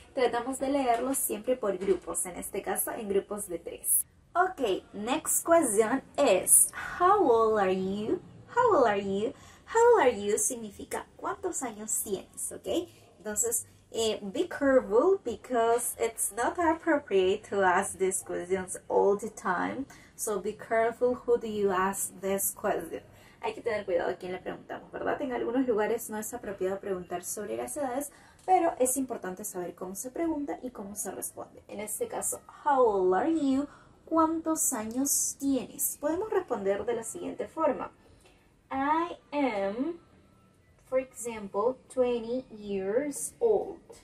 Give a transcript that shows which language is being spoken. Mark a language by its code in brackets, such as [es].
[es] Tratamos de leerlo siempre por grupos, en este caso en grupos de tres. [en] Ok, next question is, how old are you? How old are you? How old are you [es] significa cuántos años tienes, ok? Entonces, [en] be careful because it's not appropriate to ask these questions all the time. So be careful who do you ask this question. [es] Hay que tener cuidado a quién le preguntamos, ¿verdad? En algunos lugares no es apropiado preguntar sobre las edades, pero es importante saber cómo se pregunta y cómo se responde. En este caso, [en] how old are you? [es] ¿Cuántos años tienes? Podemos responder de la siguiente forma. [en] I am, for example, 20 years old.